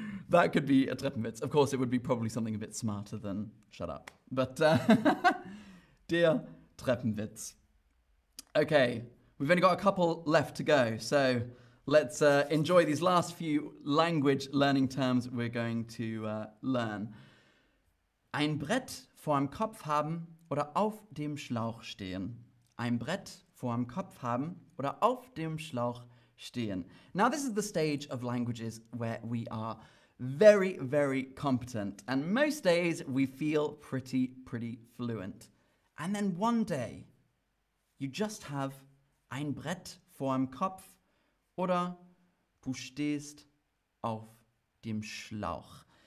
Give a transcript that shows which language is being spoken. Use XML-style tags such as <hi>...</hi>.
<en>That could be a Treppenwitz. Of course, it would be probably something a bit smarter than shut up. But dear Treppenwitz. Okay, we've only got a couple left to go. So let's enjoy these last few language learning terms we're going to learn.</en> <de>Ein Brett vor dem Kopf haben oder auf dem Schlauch stehen. Ein Brett vor dem Kopf haben oder auf dem Schlauch stehen.</de> <en>Now this is the stage of languages where we are very, very competent. And most days we feel pretty fluent. And then one day you just have</en> <de>ein Brett vor dem Kopf oder du stehst auf dem Schlauch.</de>